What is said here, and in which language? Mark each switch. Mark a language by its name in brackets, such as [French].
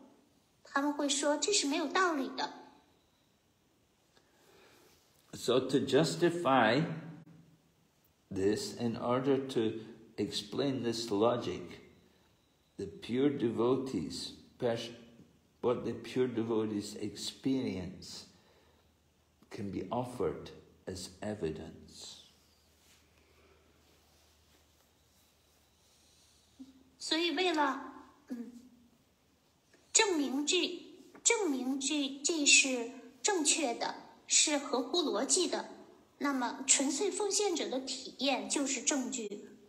[Chinese] 用这种说法，说是某种痛苦会成熟为最高的快乐，他们会说这是没有道理的。 [English] So to justify this, in order to explain this logic, the pure devotees, what the pure devotees experience can be offered as evidence. [Chinese] 所以为了证明这是正确的。是合乎逻辑的，那么纯粹奉献者的体验就是证据。